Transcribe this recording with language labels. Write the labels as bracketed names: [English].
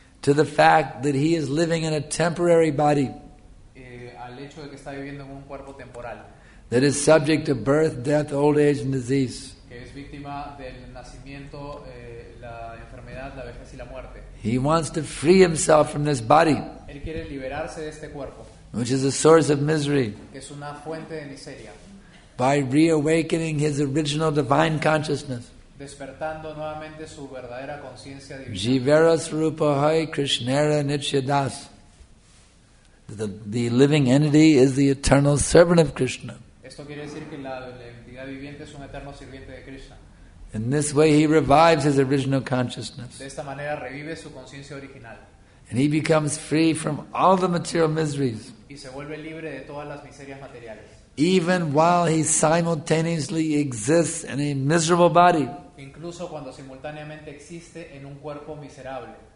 [English] To the fact that he is living in a temporary body. [Spanish] Al hecho de que está viviendo en un cuerpo temporal. [English] That is subject to birth, death, old age and disease. [Spanish] Que es víctima del nacimiento, la enfermedad, la vejez y la muerte. [English] He wants to free himself from this body. [Spanish] Él quiere liberarse de este cuerpo. [English] Which is a source of misery. [Spanish] Que es una fuente de miseria. [English] By reawakening his original divine consciousness. [Spanish] Despertando nuevamente su verdadera conciencia divina. [Bangla] Jivara Srupa Hai Krishnara Nityadas. [English] The living entity is the eternal servant of Krishna. [Spanish] Esto quiere decir que la entidad viviente es un eterno sirviente de Krishna. [English] In this way he revives his original consciousness. [Spanish] De esta manera revive su conciencia original. [English] And he becomes free from all the material miseries. [Spanish] Y se vuelve libre de todas las miserias materiales. [English] Even while he simultaneously exists in a miserable body. [Spanish] Incluso cuando simultáneamente existe en un cuerpo miserable.